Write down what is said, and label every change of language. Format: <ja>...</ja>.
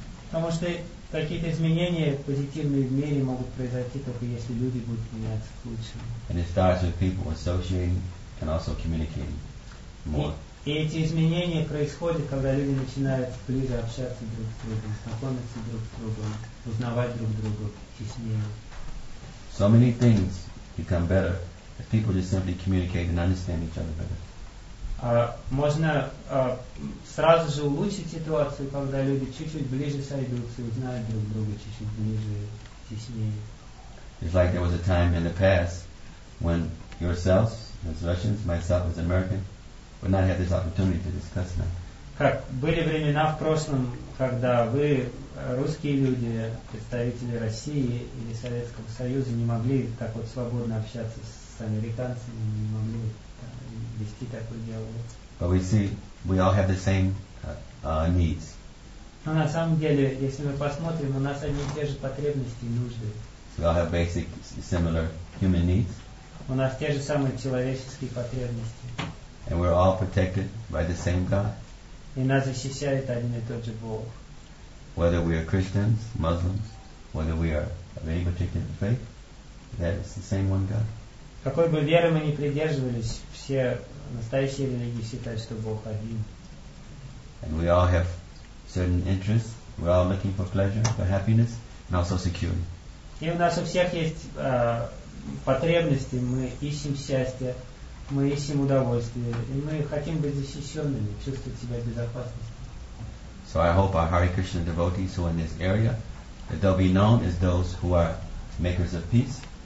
<ru>Потому что какие-то изменения позитивные в мире могут произойти только если люди будут меняться к лучшему.</ru> <en>And it starts with people associating and also communicating.</en> <ru>И эти изменения происходят, когда люди начинают ближе общаться друг с другом, знакомиться друг с другом, узнавать друг друга теснее.</ru> <en>So many things become better if people just simply communicate and understand each other better.</en> <ru>Можно сразу же улучшить ситуацию, когда люди чуть-чуть ближе сойдутся и узнают друг друга чуть-чуть ближе, теснее.</ru> <en>It's like there was a time in the past when yourselves, as Russians, myself as American, would not have this opportunity to discuss now.</en> <ru>Как были времена в прошлом, когда вы, русские люди, представители России или Советского Союза, не могли так вот свободно общаться с американцами, не могли вести такой диалог.</ru> <en>But we see, we all have the same needs.</en> <ru>Но на самом деле, если мы посмотрим, у нас одни и те же потребности и нужды.</ru> <en>So we all have basic, similar human needs.</en> <ru>У нас те же самые человеческие потребности.</ru> <en>And we're all protected by the same God.</en> <ru>И нас защищает один и тот же Бог.</ru> <en>Whether we are Christians, Muslims, whether we are of any particular faith, that is the same one God.</en> <ru>Какой бы веры мы ни придерживались, все настоящие религии считают, что Бог один.</ru> <en>And we all have certain interests. We're all looking for pleasure, for happiness, and also security.</en> <ru>И у нас у всех есть потребности. Мы ищем счастье. Мы ищем удовольствие, и мы хотим быть защищенными, чувствовать себя в безопасности.</ru> <en>So I hope our Hare Krishna devotees who are in this area, that they'll be known as those who are makers of peace.</en>